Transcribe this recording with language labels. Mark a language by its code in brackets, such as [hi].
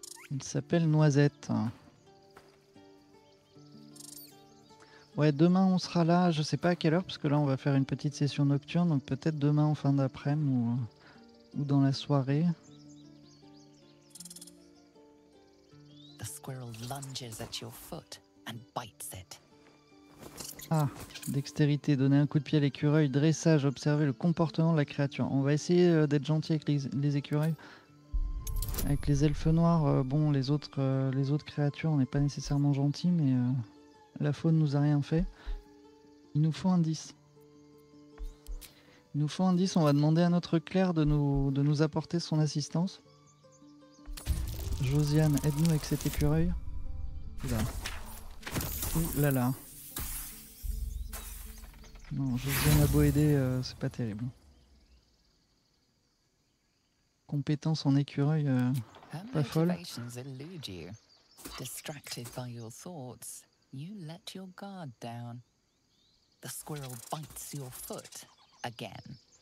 [fr] Il s'appelle Noisette. Ouais, demain on sera là, je sais pas à quelle heure, parce que là on va faire une petite session nocturne, donc peut-être demain en fin d'après-midi ou dans la soirée. [en] The squirrel lunges at your foot and bites it. [fr] Ah, dextérité, donner un coup de pied à l'écureuil, dressage, observer le comportement de la créature. On va essayer d'être gentil avec les écureuils. Avec les elfes noirs, les autres créatures, on n'est pas nécessairement gentils, mais la faune nous a rien fait. Il nous faut un 10, on va demander à notre clerc de nous apporter son assistance. Josiane, aide-nous avec cet écureuil. Là. Ouh là là. Non, Josiane a beau aider, c'est pas terrible. Compétence en écureuil, pas folle. [en] Her motivations elude you. Distracted by your thoughts, you let your guard down. The squirrel bites your foot again.